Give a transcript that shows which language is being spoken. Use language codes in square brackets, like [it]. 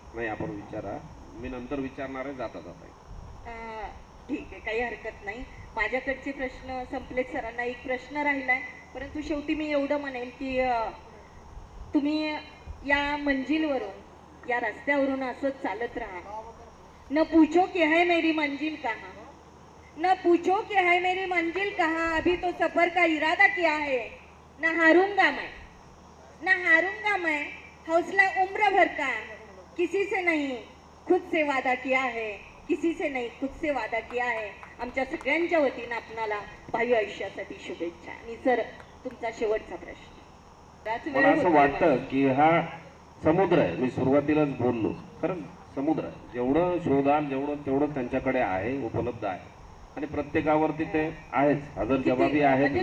[mr] नाही आपण विचारा, मी नंतर विचारणार आहे. जाता जाता ठीक आहे, काही हरकत नाही. माझ्याकडचे प्रश्न संपलेत, सरांना एक प्रश्न राहिलाय. परंतु शेवटी मी एवढं म्हणेल की तुम्ही या मंजिलवरून या रस्त्यावरून असंच चालत राहा. [hi] न पूछो कि है मेरी मंजिल कहा, न पूछो कि है मेरी मंजिल कहा, अभी तो सफर का इरादा किया है. ना हारूंगा मैं हौसला उम्र भर का, किसी से नहीं खुद से वादा किया है, किसी से नहीं खुद से वादा किया है. [mr] आमच्या सगळ्यांच्या वतीनं आपणाला भावी आयुष्यासाठी शुभेच्छा. आणि सर तुमचा शेवटचा प्रश्न. मला असं वाटतं की हा समुद्र आहे, मी सुरुवातीलाच बोललो, कारण समुद्र आहे. जेवढं शोधान जेवढं तेवढं त्यांच्याकडे आहे, उपलब्ध आहे आणि प्रत्येकावरती ते आहेच, हजर जबाबी आहेत.